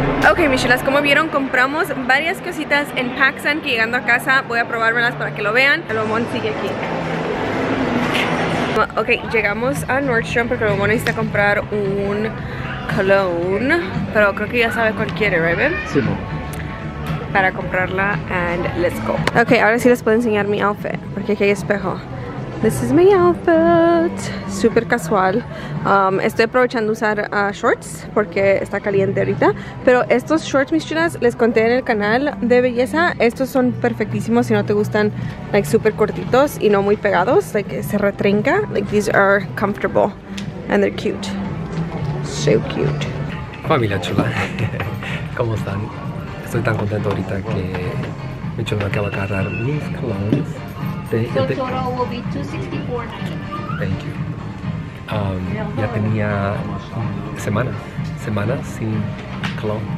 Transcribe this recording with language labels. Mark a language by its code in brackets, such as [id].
[es] Ok, Michelas, como vieron, compramos varias cositas en PacSun que llegando a casa voy a probármelas para que lo vean. El bombón sigue aquí. Ok, llegamos a Nordstrom porque luego necesita comprar un cologne. Pero creo que ya sabe cuál quiere, ¿verdad, babe? Sí, no. Para comprarla, [en] and let's go. [es] Ok, ahora sí les puedo enseñar mi outfit porque aquí hay espejo. [en] This is my outfit. Super casual. [es] Estoy aprovechando usar shorts porque está caliente ahorita. Pero estos shorts, mis chulas, les conté en el canal de belleza. Estos son perfectísimos si no te gustan, like, super cortitos y no muy pegados, like, se retrinca. [en] Like, these are comfortable and they're cute. So cute. [es] Familia chula, ¿cómo están? Estoy tan contento ahorita que mi chula acaba de agarrar mis colones. El total será $264.90. Gracias. Ya tenía semanas sin cologne.